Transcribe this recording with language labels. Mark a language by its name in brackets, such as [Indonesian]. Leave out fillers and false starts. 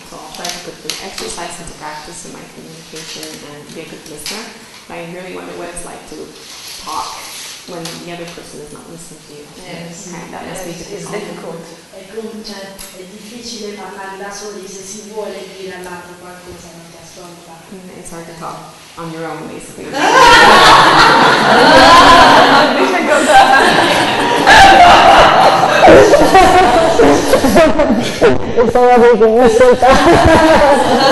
[English] So I'll try to put the exercise into practice in my communication and be a good listener. But I really wonder what it's like to talk when the other person is not listening to you. Yes, okay, that must be difficult. It's difficult. [Italian] È difficile parlare da soli se si vuole dire all'altro qualcosa, non ti ascolta. [English] It's hard to talk on your own, basically. If I ever can use it.